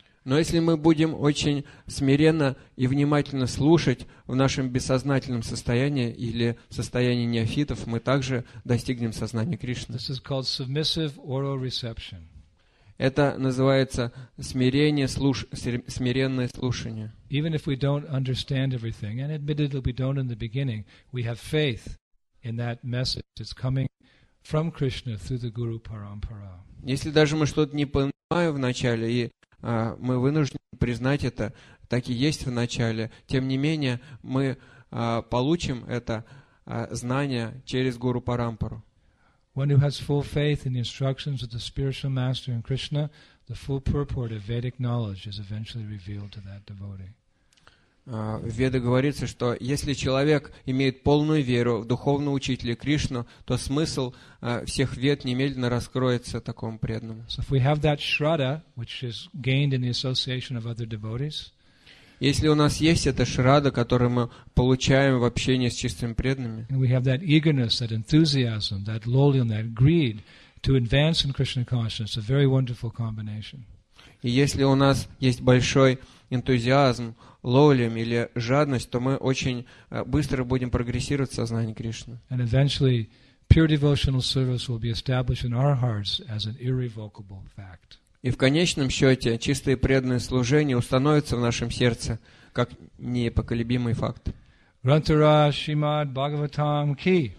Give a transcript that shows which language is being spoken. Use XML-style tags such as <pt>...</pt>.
<ru>Но если мы будем очень смиренно и внимательно слушать в нашем бессознательном состоянии или состоянии неофитов, мы также достигнем сознания Кришны.</ru> <en>This is called submissive oral reception.</en> <ru>Это называется смиренное слушание.</ru> <en>Even if we don't understand everything, and admittedly we don't in the beginning, we have faith in that message that's coming from Krishna through the Guru Parampara.</en> <ru>Если даже мы что-то не понимаем в начале, и мы вынуждены признать это, так и есть в начале, тем не менее мы получим это знание через Гуру Парампару.</ru> <en>One who has full faith in the instructions of the spiritual master in Krishna, the full purport of Vedic knowledge is eventually revealed to that devotee.</en> <ru>В Ведах говорится, что если человек имеет полную веру в духовного учителя Кришну, то смысл всех вед немедленно раскроется такому преданному.</ru> <en>So if we have that shraddha, which is gained in the association of other devotees,</en> <ru>если у нас есть эта шрада, которую мы получаем в общении с чистыми преданными,</ru> <en>and we have that eagerness, that enthusiasm, that lolium, that greed to advance in Krishna consciousness, a very wonderful combination.</en> <ru>И если у нас есть большой энтузиазм, лолим или жадность, то мы очень быстро будем прогрессировать в сознании Кришны.</ru> <en>And eventually, pure devotional service will be established in our hearts as an irrevocable fact.</en> <ru>И в конечном счете, чистое преданное служение установится в нашем сердце как непоколебимый факт. Рантара Шримад Бхагаватам Ки.</ru>